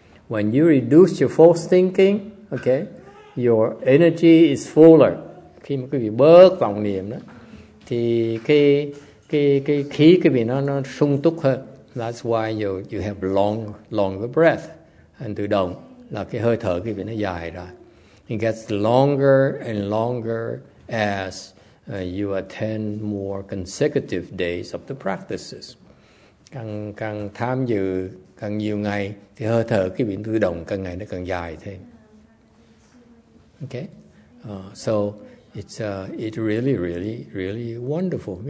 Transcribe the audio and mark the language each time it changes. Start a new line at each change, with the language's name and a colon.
English: When you reduce your false thinking, okay, your energy is fuller.
Vietnamese: khi mà quý vị bớt vọng niệm đó, thì cái khí quý vị nó sung túc hơn.
English: That's why you have longer breath.
Vietnamese: And tự động là cái hơi thở quý vị nó dài ra.
English: It gets longer and longer as you attend more consecutive days of the practices.
Vietnamese: Càng tham dự càng nhiều ngày thì hơi thở cái biển tự động càng ngày nó càng dài thêm.
English: Okay, so it's really really really wonderful.